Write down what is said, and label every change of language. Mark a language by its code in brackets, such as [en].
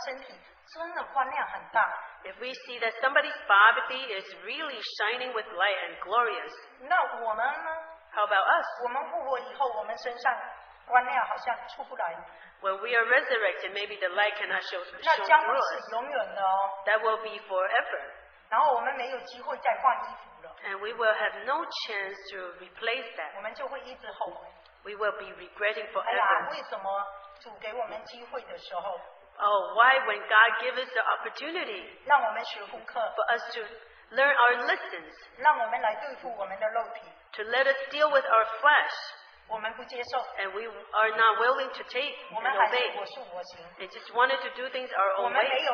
[zh] 如果我们看到有人的荣耀的身体真的光亮很大, [en] if we see that somebody's body is really shining with light and glorious, [zh] 那我们呢? [en] How about us? [zh] 我们复活以后,我们身上光亮好像出不来, [en] when we are resurrected, maybe the light cannot show through us. [zh] 那将会是永远的哦, [en] that will be forever. [zh] 然后我们没有机会再换衣服了, [en] and we will have no chance to replace that. [zh] 我们就会一直后悔, [en] we will be regretting forever. [zh] 哎呀, 为什么主给我们机会的时候, [en] oh, why when God gives us the opportunity for us to learn our lessons, to let us deal with our flesh, and we are not willing to take and obey, and just wanted to do things our own way.